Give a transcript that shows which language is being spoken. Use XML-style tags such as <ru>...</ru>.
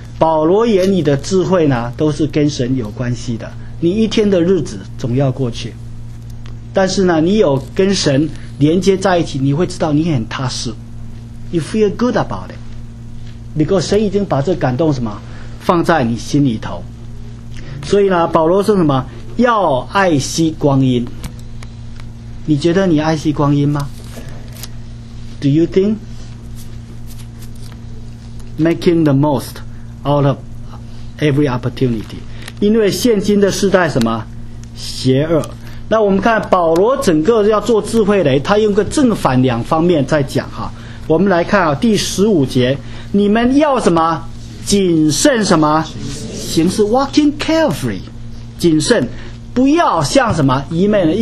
<zh>保罗眼里的智慧呢都是跟神有关系的，你一天的日子总要过去，但是呢你有跟神连接在一起，你会知道你很踏实，</zh> <en>you feel good about it， because</en> <zh>神已经把这感动什么放在你心里头。所以呢保罗说什么，要爱惜光阴。你觉得你爱惜光阴吗？</zh> <en>Do you think making the most out of every opportunity？</en> <zh>因为现今的时代什么邪恶。那我们看保罗整个要做智慧的，他用个正反两方面在讲哈。我们来看啊，第十五节，你们要什么谨慎什么行事，</zh> <en>walking carefully，</en> <zh>谨慎，不要像什么愚昧人。</zh>